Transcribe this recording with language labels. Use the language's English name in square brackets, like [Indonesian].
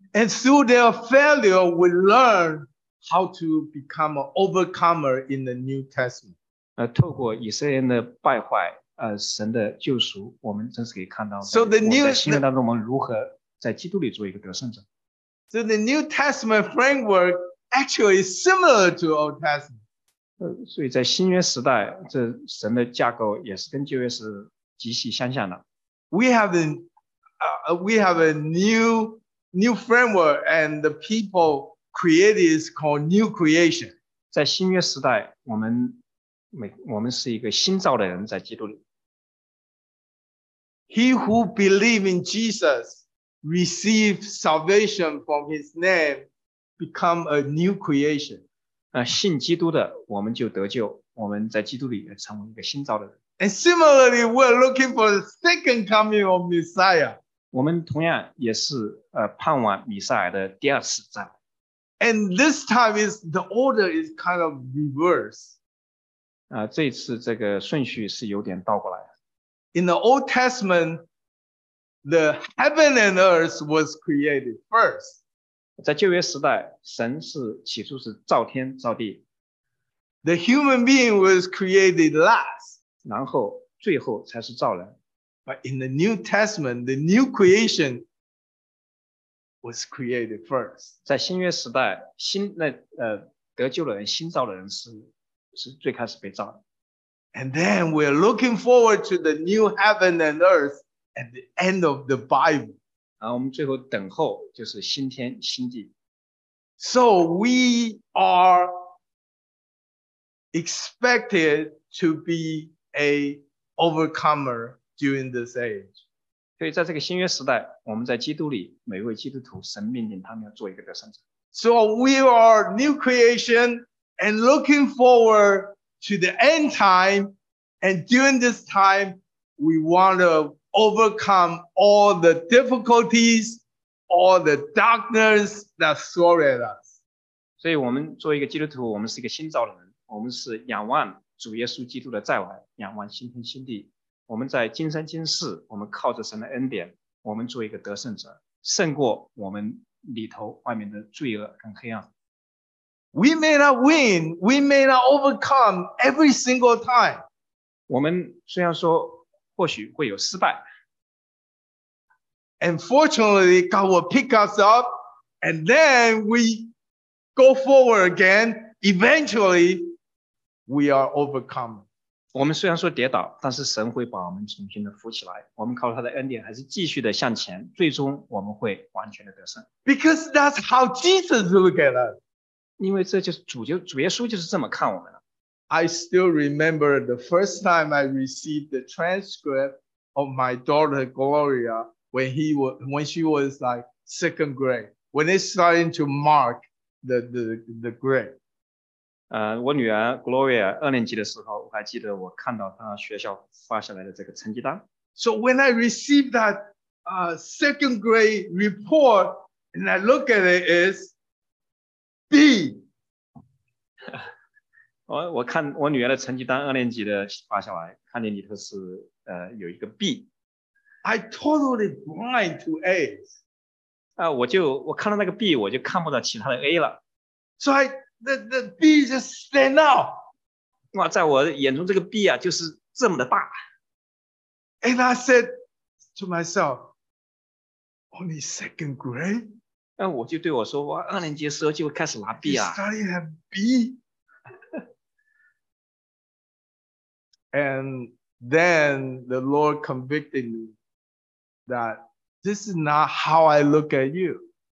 [English] through their failure, we learn how to become an overcomer in the New Testament. [Chinese] 透过以色列人的败坏。神的救赎，我们真是可以看到。 [English] So the new [Chinese] 在新约当中，我们如何在基督里做一个得胜者 [English] ？So the New Testament framework actually is similar to Old Testament. [Chinese] 所以在新约时代，这神的架构也是跟旧约是极其相像的。 [English] We have a new framework, and the people created is called new creation. [Chinese] 在新约时代，我们是一个新造的人，在基督里。 [English] He who believe in Jesus receive salvation from His name, become a new creation. [Chinese] 信基督的，我们就得救，我们在基督里也成为一个新造的人。 [English] And similarly, we're looking for the second coming of Messiah. [Chinese] 我们同样也是盼望弥赛亚的第二次再来。 [English] And this time is the order is kind of reverse. [Chinese] 这一次这个顺序是有点倒过来。 [English] In the Old Testament, the heaven and earth was created first. [Chinese] 在旧约时代，神是起初是造天造地。 [English] The human being was created last. [Chinese] 然后最后才是造人。 [English] But in the New Testament, the new creation was created first. [Chinese] 在新约时代，得救的人，新造的人是最开始被造的。 [English] And then we're looking forward to the new heaven and earth at the end of the Bible. [Chinese] 然后我们最后等候就是新天新地。 [English] So we are expected to be. A overcomer during this age. [Chinese] 所以在这个新约时代，我们在基督里，每位基督徒，神命令他们要做一个得胜者。 [English] So we are new creation and looking forward to the end time. And during this time, we want to overcome all the difficulties, all the darkness that surround us. [Chinese] 所以我们作为一个基督徒，我们是一个新造的人，我们是仰望。主耶稣基督的再来，仰望新天新地。我们在今生今世，我们靠着神的恩典，我们做一个得胜者，胜过我们里头外面的罪恶跟黑暗。 [English] We may not win, we may not overcome every single time. [Chinese] 我们虽然说或许会有失败。 [English] And fortunately, God will pick us up, and then we go forward again, eventually. We are overcome. [Chinese] 我们虽然说跌倒，但是神会把我们重新的扶起来。我们靠他的恩典，还是继续的向前。最终我们会完全的得胜。 [English] Because that's how Jesus look at us. [Chinese] 因为这就是主耶稣就是这么看我们的。 [English] I still remember the first time I received the transcript of my daughter Gloria when she was like second grade. When they starting to mark the grade. [Chinese] 我女儿 Gloria 二年级的时候，我还记得我看到她学校发下来的这个成绩单。 [English] So when I received that second grade report and I look at it, is B. [Chinese] 我看我女儿的成绩单，二年级的发下来，看见里头是有一个 B. [English] I totally blind to A. [Chinese] 我看到那个 B, 我就看不到其他的 A 了。 [English] So I. The B just stand out. [Chinese] 哇，在我眼中这个 B 啊，就是这么的大。 [English] And I said to myself, only second grade. [Chinese] 我就对我说，我二年级的时候就开始拿 B 啊。 [English] You study that B. And then the Lord convicted me that this is not how I look at you.